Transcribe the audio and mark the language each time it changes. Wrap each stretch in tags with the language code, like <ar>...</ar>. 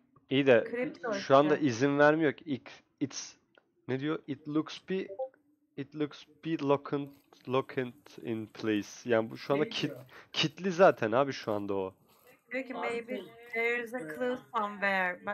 <tr>İyi de şu anda izin vermiyor ki. It's ne diyor?</tr> <en>It looks be locked in place.</en> <tr>Yani bu şu anda kitli zaten abi şu anda o. Diyor ki</tr> <en>maybe there's a clue somewhere.</en>